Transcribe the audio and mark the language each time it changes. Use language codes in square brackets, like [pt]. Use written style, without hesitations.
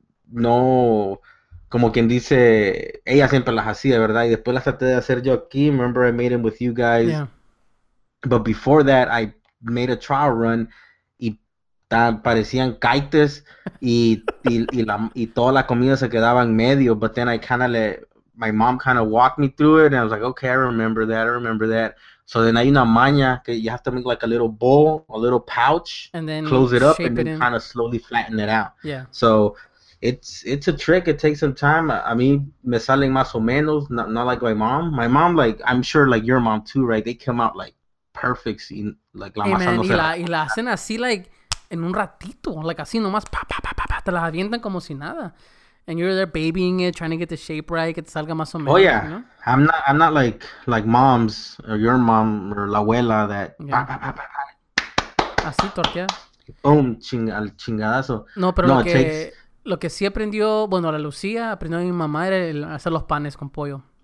[es] No, como quien dice, ella siempre las hacía, ¿verdad? Y después las traté de hacer yo aquí. [en] Remember I made them with you guys. Yeah. But before that, I made a trial run. [es] Parecían caites y toda la comida se quedaba en medio, [en] but then I kind of let my mom kind of walk me through it, and I was like, okay, I remember that. So then [es] hay una maña que [en] you have to make like a little bowl, a little pouch, and then close it up, and it then kind of slowly flatten it out. Yeah. So it's a trick. It takes some time. I mean, [es] me salen más o menos, [en] not like my mom. My mom, like, I'm sure like your mom too, right? They come out like perfect. Like, [es] la masa no se la, y la hacen así like, en un ratito, like así nomás, pa, pa, pa, pa, pa, te las avientan como si nada. [en] And you're there babying it, trying to get the shape right, [es] que te salga más o menos. [en] Oh, yeah. You know? I'm not like mom's or your mom or la abuela that, yeah. Pa, pa, pa, pa. [es] Así, tortilla. Boom, al chingadazo. No, pero no, lo que sí aprendió, bueno, la Lucía aprendió de mi mamá era hacer los panes con pollo.